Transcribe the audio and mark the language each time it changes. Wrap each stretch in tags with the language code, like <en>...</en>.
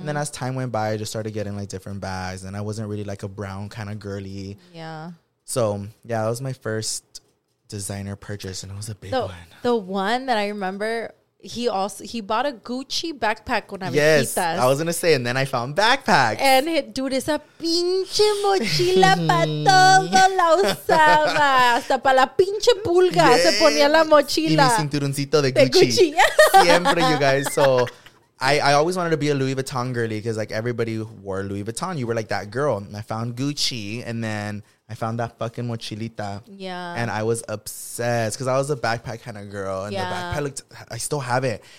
<en>And then as time went by, I just started getting like different bags and I wasn't really like a brown kind of girly. Yeah. So yeah, that was my first designer purchase and it was a big one. The one that I remember, he bought a Gucci backpack when I was I was going to say, and then I found backpacks. And dude,</en> <es>esa pinche mochila para todo la usaba. Hasta para la pinche pulga se ponía la mochila. Y mi cinturoncito de Gucci. De Gucci.</es> <en>Siempre, you guys. So I always wanted to be a Louis Vuitton girly because like everybody wore Louis Vuitton. You were like that girl. And I found Gucci and then I found that fucking mochilita. Yeah. And I was obsessed because I was a backpack kind of girl. And the backpack looked, I still have it.</en>